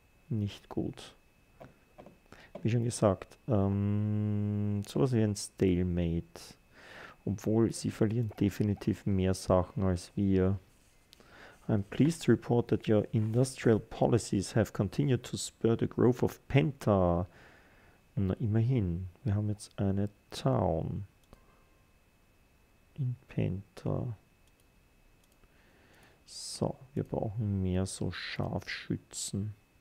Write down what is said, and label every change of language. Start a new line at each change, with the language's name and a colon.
German: Nicht gut. Wie schon gesagt, sowas wie ein Stalemate. Obwohl, sie verlieren definitiv mehr Sachen als wir.
English: I'm pleased to report that your industrial policies have continued to spur the growth of Penta.
German: Na, immerhin, wir haben jetzt eine Town in Penta. So, wir brauchen mehr so Scharfschützen.